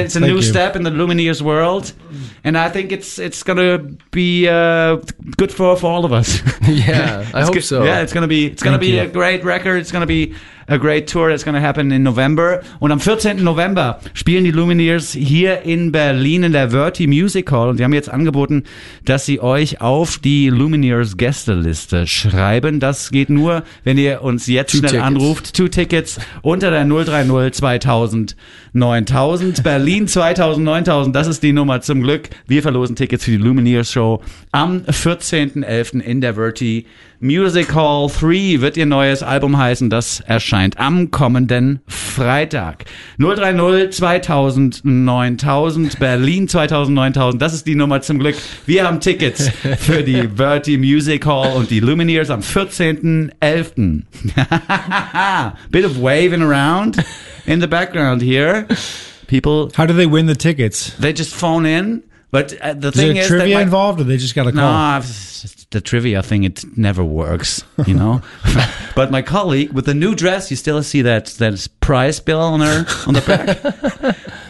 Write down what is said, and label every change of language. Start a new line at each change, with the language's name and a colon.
English: It's a new step in the Lumineers world. And I think it's going to be good for all of us. I hope so. Yeah, it's going to be a great record. It's going to be a great tour that's going to happen in November.
German: Und am 14. November spielen die Lumineers hier in Berlin in der Verti Music Hall. Und sie haben jetzt angeboten, dass sie euch auf die Lumineers Gästeliste schreiben. Das geht nur, wenn ihr uns jetzt schnell anruft.
English: Two Tickets
German: unter der 030 2000 9000. Berlin 2000 9000. Das ist die Nummer zum Glück. Wir verlosen Tickets für die Lumineers Show am 14.11. in der Verti Music Hall. 3 wird ihr neues Album heißen. Das erscheint am kommenden Freitag. 030 2000 9000. Berlin 2000 9000. Das ist die Nummer zum Glück. Wir haben Tickets für die Verti Music Hall und die Lumineers am 14.11.
English: Bit of waving around in the background here. People, how do they win the tickets? They just phone in. But the thing is, trivia involved, or they just got a call? No, the trivia thing, it never works, you know. But my colleague with the new dress, you still see that prize bill on her on the back.